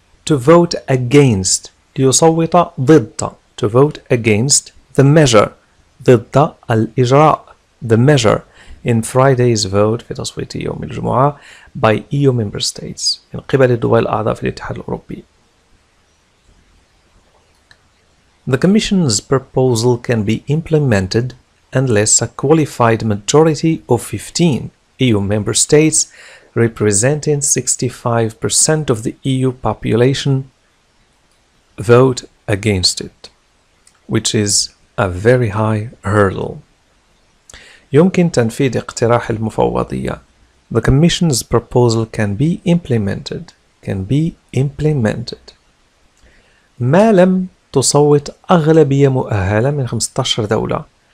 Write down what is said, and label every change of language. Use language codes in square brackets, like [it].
[en] to vote against، [ar] ليصوت ضد، [en] to vote against the measure، [ar] ضد الإجراء، [en] the measure in Friday's vote، [ar] في تصويت يوم الجمعة، [en] by EU member states، [ar] من قبل الدول الأعضاء في الاتحاد الأوروبي. [en] The Commission's proposal can be implemented unless a qualified majority of 15 EU member states representing 65% of the EU population vote against it, which is a very high hurdle. [ar] يمكن تنفيذ اقتراح المفوضية. [en] The Commission's proposal can be implemented. Can be implemented. [ar] ما لم تصوت أغلبية مؤهلة من 15 دولة